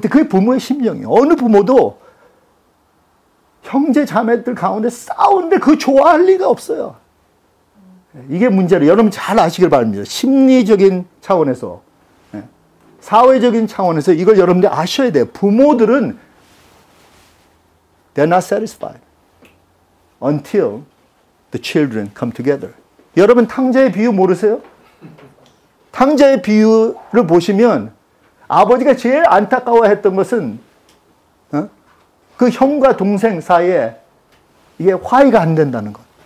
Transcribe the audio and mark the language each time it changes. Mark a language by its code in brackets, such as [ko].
[ko] 그게 부모의 심정이에요. 어느 부모도 형제 자매들 가운데 싸우는데 그거 좋아할 리가 없어요. 이게 문제로 여러분 잘 아시길 바랍니다. 심리적인 차원에서 사회적인 차원에서 이걸 여러분들 아셔야 돼요. 부모들은 [en] they're not satisfied until the children come together. [ko] 여러분 탕자의 비유 모르세요? 탕자의 비유를 보시면 아버지가 제일 안타까워했던 것은 그 형과 동생 사이에 이게 화해가 안 된다는 것.